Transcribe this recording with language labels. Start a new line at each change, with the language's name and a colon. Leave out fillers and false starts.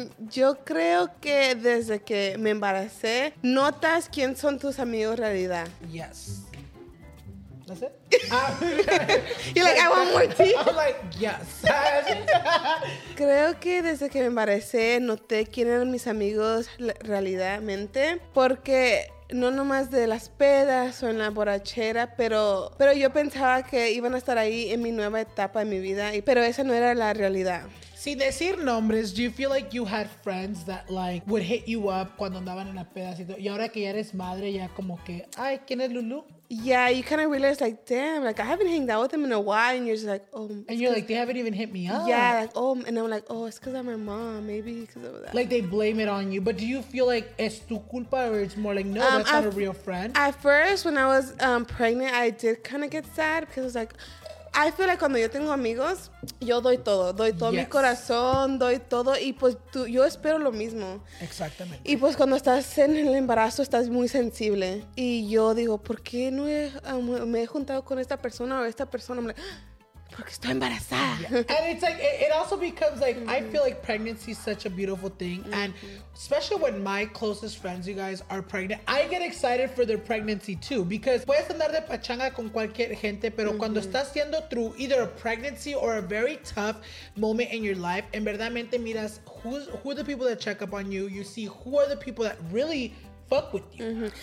Spanish: Yo creo que desde que me embaracé, notas quién son tus amigos realidad.
English: Yes. That's it? You're like, I want more tea? I'm like, yes.
Spanish: Creo que desde que me embaracé, noté quién eran mis amigos realmente. Porque no nomás de las pedas o en la borrachera, pero yo pensaba que iban a estar ahí en mi nueva etapa de mi vida. Pero esa no era la realidad. Sin decir nombres,
English: do you feel like you had friends that like would hit you up
Spanish: cuando andaban en la peda? Y ahora que ya eres madre, ya como que, ay, ¿quién es Lulu?
English: Yeah, you kind of realize like, damn, like I haven't hanged out with them in a while, and you're just like, oh. And you're like, they haven't even hit me up. Yeah, like, oh, and I'm like, oh, it's because I'm my mom, maybe because of that. Like they blame it on you, but do you feel like
Spanish: es tu culpa,
English: or it's more like, no, that's not a real friend? At first, when I was pregnant, I did kind of get sad because I was like, I feel like
Spanish: cuando yo tengo amigos, yo doy todo yes, mi corazón, doy todo, y pues tú, yo espero lo mismo. Exactamente. Y pues cuando estás en el embarazo, estás muy sensible, y yo digo, ¿por qué no me he juntado con esta persona o esta persona?
English: I'm like,
Spanish: porque estoy embarazada.
English: Yeah. And it's like, it also becomes like, I feel like pregnancy is such a beautiful thing, and especially when my closest friends, you guys, are pregnant, I get excited for their pregnancy too, because
Spanish: puedes andar de pachanga con cualquier gente,
English: pero cuando estás yendo through either a pregnancy or a very tough moment in your life,
Spanish: en verdaderamente miras
English: who are the people that check up on you, you see who are the people that really fuck with you.